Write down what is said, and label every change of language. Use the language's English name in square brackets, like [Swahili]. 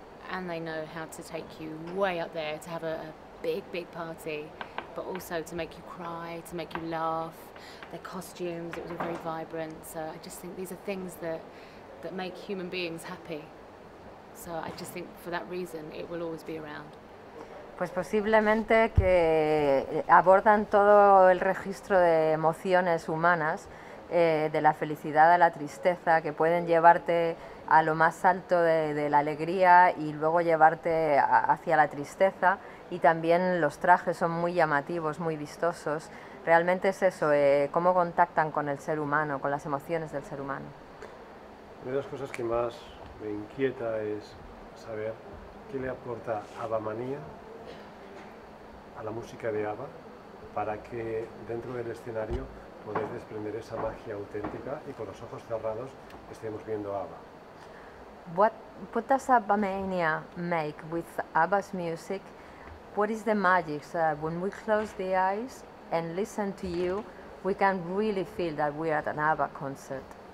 [English] And they know how to take you way up there to have a big, big party, but also to make you cry, to make you laugh. Their costumes, it was all very vibrant. So I just think these are things that make human beings happy. So I just think for that reason, it will always be around. [Spanish] Pues posiblemente que abordan todo el registro de emociones humanas, de la felicidad a la tristeza, que pueden llevarte a lo más alto de la alegría y luego llevarte hacia la tristeza. Y también los trajes son muy llamativos, muy vistosos. Realmente es eso, cómo contactan con el ser humano, con las emociones del ser humano. Una de las cosas que más me inquieta es saber qué le aporta Abamanía a la música de ABBA para que dentro del escenario podáis desprender esa magia auténtica y con los ojos cerrados estemos viendo ABBA. [English] What does Abamania make with ABBA's music? What is the magic so that when we close the eyes and listen to you, we can really feel that we are at an ABBA concert?